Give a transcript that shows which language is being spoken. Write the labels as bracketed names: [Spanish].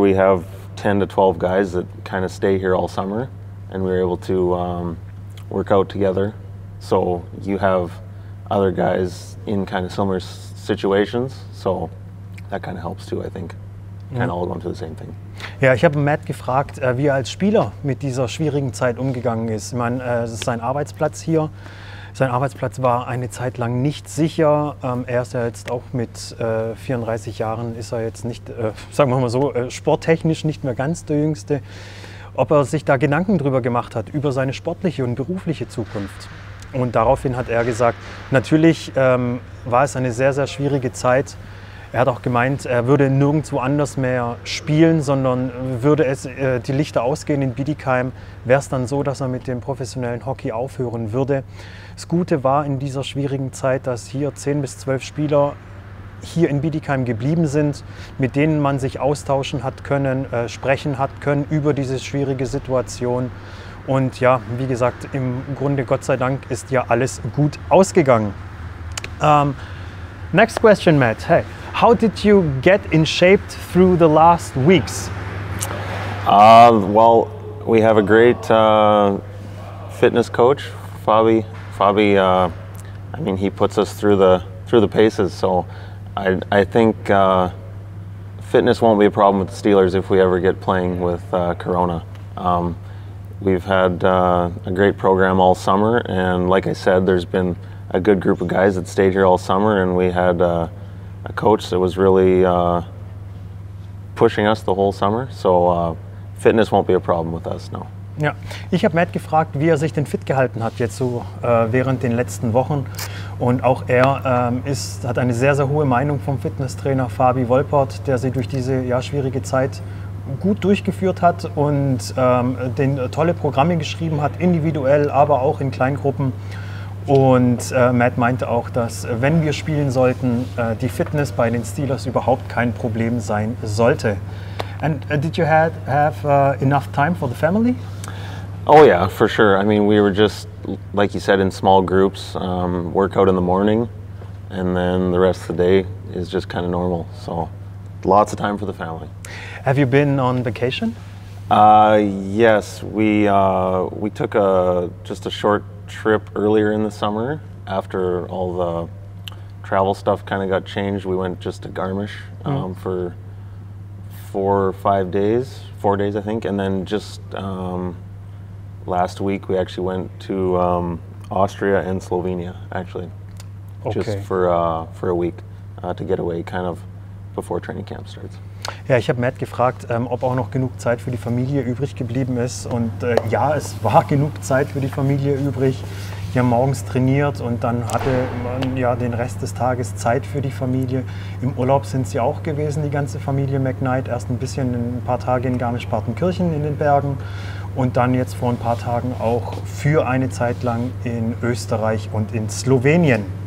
[English] We have 10 to 12 guys that kind of stay here all summer, and we were able to work out together. So you have other guys in kind of similar situations. So that kind of helps too, I think. Kind of all going to the same thing. [German] Ja, ich habe Matt gefragt, wie er als Spieler mit dieser schwierigen Zeit umgegangen ist. Ich meine, es ist sein Arbeitsplatz hier. Sein Arbeitsplatz war eine Zeit lang nicht sicher. Er ist ja jetzt auch mit 34 Jahren, ist er jetzt nicht, sagen wir mal so, sporttechnisch nicht mehr ganz der Jüngste. Ob er sich da Gedanken drüber gemacht hat, über seine sportliche und berufliche Zukunft. Und daraufhin hat er gesagt, natürlich war es eine sehr, sehr schwierige Zeit. Er hat auch gemeint, er würde nirgendwo anders mehr spielen, sondern würde es die Lichter ausgehen in Bietigheim, wäre es dann so, dass er mit dem professionellen Hockey aufhören würde. Das Gute war in dieser schwierigen Zeit, dass hier 10 bis 12 Spieler hier in Bietigheim geblieben sind, mit denen man sich austauschen hat können, sprechen hat können über diese schwierige Situation. Und ja, wie gesagt, im Grunde, Gott sei Dank, ist ja alles gut ausgegangen. [English] Next question, Matt. Hey, how did you get in shape through the last weeks? Well, we have a great fitness coach, Fabi. Fabi, I mean, he puts us through the paces. So I think fitness won't be a problem with the Steelers if we ever get playing with Corona. We've had a great program all summer, and like I said, there's been a good group of guys that stayed here all summer, and we had a coach that was really pushing us the whole summer. So fitness won't be a problem with us, no. [German] Ja, ich habe Matt gefragt, wie er sich denn fit gehalten hat jetzt so während den letzten Wochen. Und auch er hat eine sehr, sehr hohe Meinung vom Fitnesstrainer Fabi Wolpert, der sie durch diese ja, schwierige Zeit gut durchgeführt hat und tolle Programme geschrieben hat, individuell, aber auch in Kleingruppen. Und Matt meinte auch, dass wenn wir spielen sollten, die Fitness bei den Steelers überhaupt kein Problem sein sollte. [English] And did you have enough time for the family? Oh yeah, for sure. I mean, we were just, like you said, in small groups, work out in the morning, and then the rest of the day is just kind of normal. So lots of time for the family. Have you been on vacation? Yes, we took just a short trip earlier in the summer after all the travel stuff kind of got changed. We went just to Garmisch for 4 or 5 days, 4 days I think, and then just last week we actually went to Austria and Slovenia actually, okay. Just for a week to get away kind of before training camp starts. [German] Ja, ich habe Matt gefragt, ob auch noch genug Zeit für die Familie übrig geblieben ist. Und ja, es war genug Zeit für die Familie übrig. Die haben morgens trainiert und dann hatte man ja den Rest des Tages Zeit für die Familie. Im Urlaub sind sie auch gewesen, die ganze Familie McKnight. Erst ein bisschen ein paar Tage in Garmisch-Partenkirchen in den Bergen und dann jetzt vor ein paar Tagen auch für eine Zeit lang in Österreich und in Slowenien.